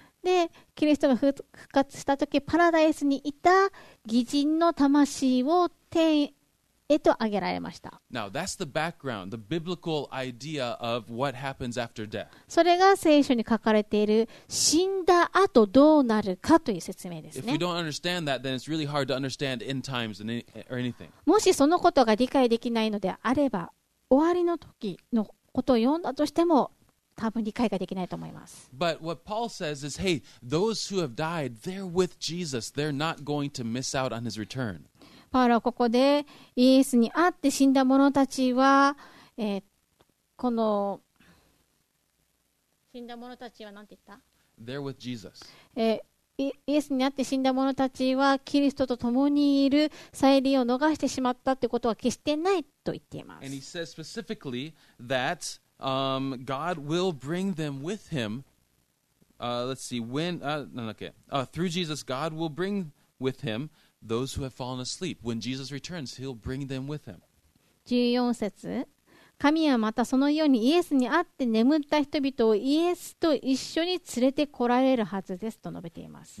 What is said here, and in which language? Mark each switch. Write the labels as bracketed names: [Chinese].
[Japanese] で、キリストが復活した時、パラダイスにいた義人の魂を天へと上げられました。 [English] Now, that's the background, the biblical idea of what happens after death. [Japanese] それが聖書に書かれている死んだ後どうなるかという説明ですね。 [English] If we don't understand that, then it's really hard to understand end times or anything. [Japanese] もしそのことが理解できないのであれば、終わりの時のことを読んだとしても多分理解ができないと思います。 [English] But what Paul says is, hey, those who have died, they're with Jesus. They're not going to miss out on his return. [Japanese] パウロはここでイエスに会って死んだ者たちは、この死んだ者たちは何て言った [English] They're with Jesus. [Japanese] イエスに会って死んだ者たちはキリストと共にいる再臨を逃してしまったということは決してないと言っています。 [English] And he says specifically that, God will bring them with him, let's see, when, through Jesus God will bring with himThose who have fallen asleep, when Jesus returns, he'll bring them with him. [Japanese] 14節。神はまたそのようにイエスに会って眠った人々をイエスと一緒に連れてこられるはずですと述べています。